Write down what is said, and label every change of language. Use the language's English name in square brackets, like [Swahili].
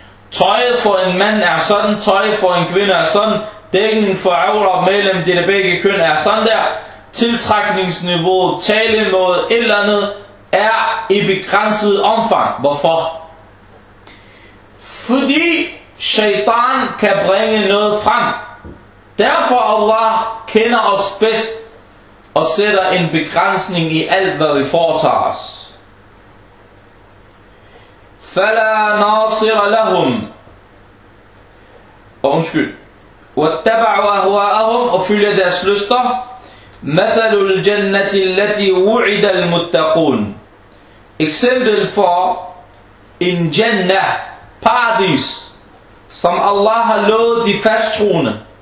[Danish] Tøjet for en mand er sådan, tøjet for en kvinde er sådan, dækken for aura mellem de der begge køn er sådan der, tiltrækningsniveauet, talemåde, et eller andet, er i begrænset omfang. Hvorfor? Fordi shaitan kan bringe noget frem. Derfor Allah kender os bedst og sætter en begrænsning i alt, hvad vi foretager os. [Arabic] فَلَا نَاصِرَ لَهُمْ [Danish] Undskyld. [Arabic] وَاتَّبَعُوا أَهْوَاءَهُمْ [Danish] Og følger deres lyster. [Arabic] مَثَلُ الْجَنَّةِ الَّتِي وُعِدَ الْمُتَّقُونَ [Danish] Eksempel for en jannah, paradis, som Allah har lovet de fasttroende.